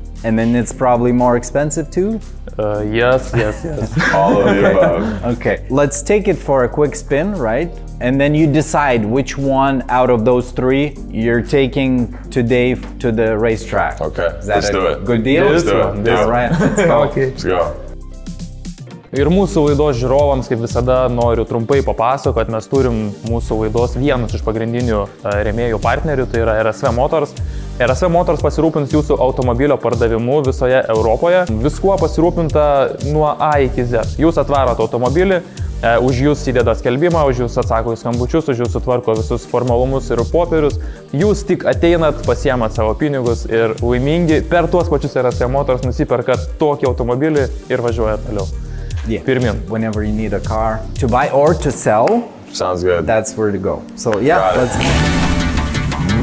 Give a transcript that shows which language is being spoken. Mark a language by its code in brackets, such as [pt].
[en] And then it's probably more expensive too? Yes. All of the above. Okay, let's take it for a quick spin, right? And then you decide which one out of those three you're taking today to the racetrack. Okay, good deal? Let's do it. All right, let's go. Okay. Let's go. [lt] Ir mūsų laidos žiūrovams, kaip visada, noriu trumpai papasakoti, kad mes turim mūsų laidos vienus iš pagrindinių remėjų partnerių, tai yra RSVMOTORS. RSVMOTORS pasirūpins jūsų automobilio pardavimu visoje Europoje. Viskuo pasirūpinta nuo A iki Z. Jūs atvarot automobilį, už jūs įdeda skelbimą, už jūs atsako į skambučius, už jūs sutvarko visus formalumus ir popierius. Jūs tik ateinat, pasiemat savo pinigus ir laimingi per tuos pačius RSVMOTORS nusiperkat tokį automobilį ir važiuojat toliau. [en] Yeah, Pirmin. Whenever you need a car to buy or to sell, sounds good. That's where to go. So yeah, let's go.